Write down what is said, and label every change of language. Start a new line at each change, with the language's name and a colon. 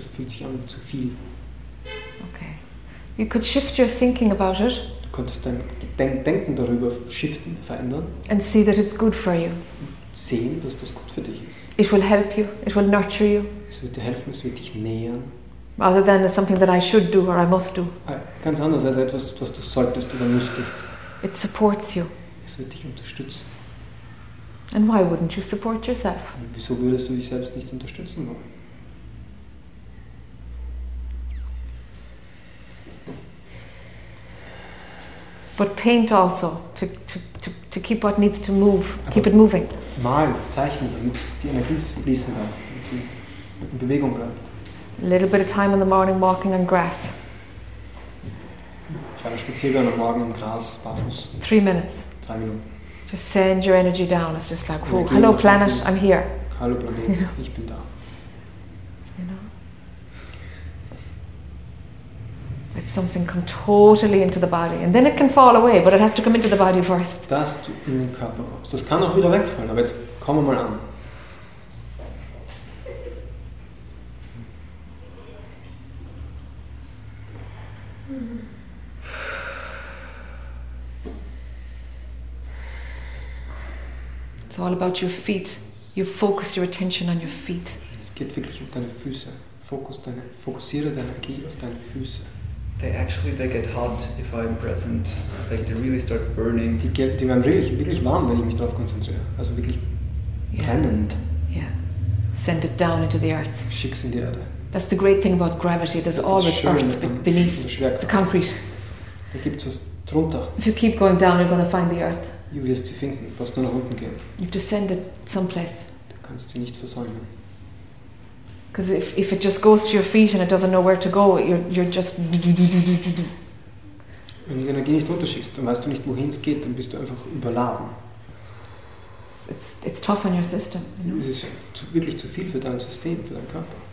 German: Fühlt sich an wie zu viel.
English: Okay. You could shift your thinking about it.
German: Könntest dein Denken darüber shiften, verändern.
English: And see that it's good for you.
German: Sehen, dass das gut für dich ist.
English: It will help you. It will nurture you.
German: Es wird dir helfen, es wird dich nähern.
English: Rather than it's something that I should do or I must do.
German: Ganz anders als etwas, was du solltest oder müsstest.
English: It supports you.
German: Es wird dich unterstützen.
English: And why wouldn't you support yourself?
German: Und wieso würdest du dich selbst nicht unterstützen wollen?
English: But paint also to keep what needs to move, aber keep it moving.
German: Malen, zeichnen, damit die Energie fließen kann, damit sie in Bewegung bleibt.
English: A little bit of time in the morning walking on grass.
German: Ich habe Spaziergang am Morgen im Gras, barfuß.
English: 3 minutes.
German: 3 Minuten.
English: Just send your energy down. It's just like, oh, hello planet, I'm here.
German: Hallo Planet, you know? Ich bin da.
English: You know? It's something come totally into the body and then it can fall away, but it has to come into the body first.
German: Das du in den Körper kommst. Das kann auch wieder wegfallen, aber jetzt kommen wir mal an.
English: It's all about your feet. You focus your attention on your feet.
German: Es geht wirklich um deine Füße. Fokussiere deine Energie auf deine Füße.
English: They get hot if I'm present. Like they really start burning.
German: Die werden wirklich warm, wenn ich mich darauf konzentriere. Also wirklich brennend.
English: Yeah. Send it down into the earth.
German: Schick's in die Erde.
English: That's the great thing about gravity. There's always earth beneath the concrete.
German: Da gibt's was drunter.
English: If you keep going down, you're going to find the earth.
German: Du wirst sie finden. Du musst nur nach unten gehen.
English: You have to send it someplace.
German: Du kannst sie nicht versäumen.
English: Because if it just goes to your feet and it doesn't know where to go, you're just.
German: Wenn du die Energie nicht runterschickst, dann weißt du nicht, wohin es geht, dann bist du einfach überladen.
English: It's tough on your system. You know?
German: Es ist wirklich zu viel für dein System, für deinen Körper.